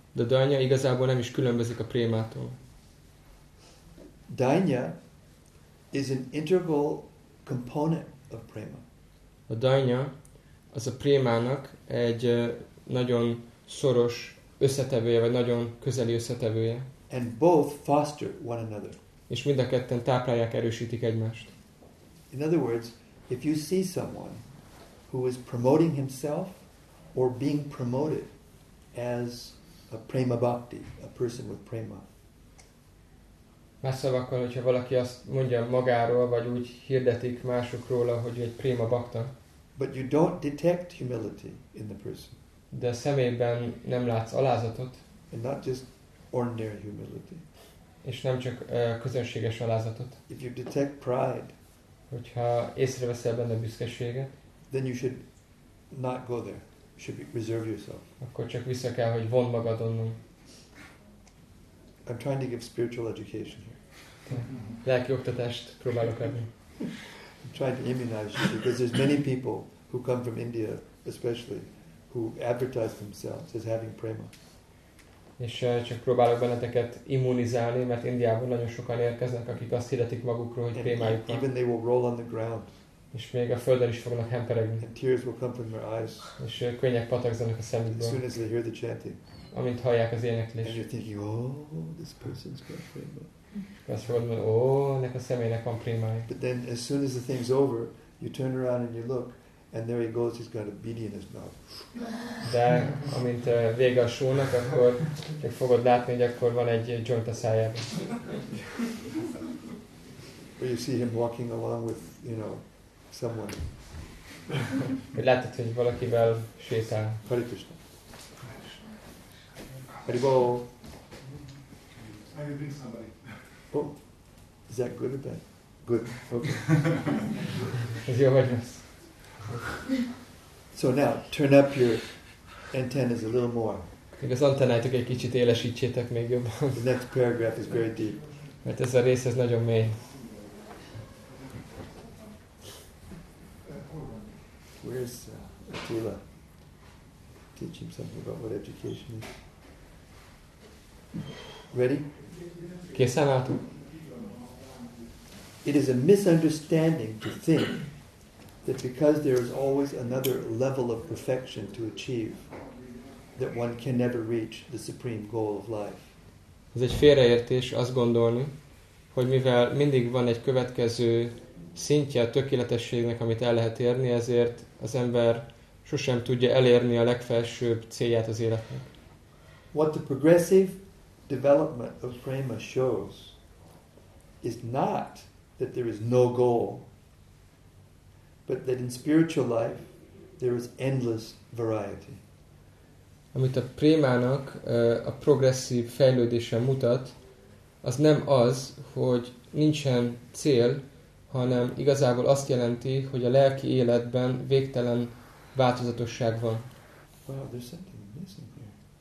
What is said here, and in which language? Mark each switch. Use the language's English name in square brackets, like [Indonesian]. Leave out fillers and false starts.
[Hungarian] De dānya igazából nem is különbözik a prémától. [English] Dānya is an integral component of prema. [Hungarian] A dānya az a prémának egy nagyon szoros összetevője, vagy nagyon közeli összetevője. [English] And both foster one another. [Hungarian] És mind a ketten táplálják, erősítik egymást. [English] In other words, if you see someone who is promoting himself or being promoted as a prema bhakti, a person with prema. [Hungarian] Más szavakkal, hogyha valaki azt mondja magáról, vagy úgy hirdetik másokról, hogy egy prema bhakta. [English] But you don't detect humility in the person. [Hungarian] De szemében nem látsz alázatot. [English] And not just ordinary humility. [Hungarian] És nem csak közönséges alázatot. [English] If you detect pride, [Hungarian] hogyha észreveszel benne büszkeséget, [English] then you should not go there. Should reserve yourself. [Hungarian] Akkor csak vissza kell, hogy vonj magad onnan. [English] I'm trying to give spiritual education here. [Hungarian] Lelki oktatást próbálok adni. [English] I'm trying to immunize you because there's many people who come from India especially who advertise themselves as having prema. [Hungarian] És csak próbálok benneteket immunizálni, mert Indiában nagyon sokan érkeznek, akik azt hirdetik magukról, hogy prémájuk van. [English] Even they will roll on the ground. [Hungarian] És még a földön is fognak hemperegni. [English] And tears will come from their eyes. [Hungarian] És könnyek patakzanak a szemükből. [English] As soon as they hear the chanting. [Hungarian] Amint hallják az éneklést. [English] And you're thinking, oh, this person's got prema. [Hungarian] Azt fogod mondani, oh, ennek a személynek van prémája. [English] But then as soon as the thing's over, you turn around and you look, and there he goes, he's got a beady in his mouth. [Hungarian] De amint vége a show-nak, akkor csak fogod látni, hogy akkor van egy joint a szájában. [English] Or you see him walking along with, you know, someone. [Hungarian] Hogy látod, hogy valakivel sétál. [English] Hare Krishna. Hare Bol. I bring somebody. Oh, is that good or bad? Good, okay. [Hungarian] Ez jó vagy lesz. [English] So now turn up your antennas a little more. [Hungarian] Az antennátok egy kicsit élesítsétek még jobban. [English] The next paragraph is very deep. [Hungarian] Mert ez a rész ez nagyon mély. [English] Where's Attila? Teach him something about what education is. Ready? [Hungarian] Készen álltok? [English] It is a misunderstanding to think that because there is always another level of perfection to achieve, that one can never reach the supreme goal of life. [Hungarian] Ez egy félreértés azt gondolni, hogy mivel mindig van egy következő szintje a tökéletességnek, amit el lehet érni, ezért az ember sosem tudja elérni a legfelsőbb célját az életnek. [English] What the progressive development of prema shows is not that there is no goal, but that in spiritual life there is endless variety. [Hungarian] Amit a prémának a progresszív fejlődése mutat, az nem az, hogy nincsen cél, hanem igazából azt jelenti, hogy a lelki életben végtelen változatosság van. [English] Wow, there's something missing here.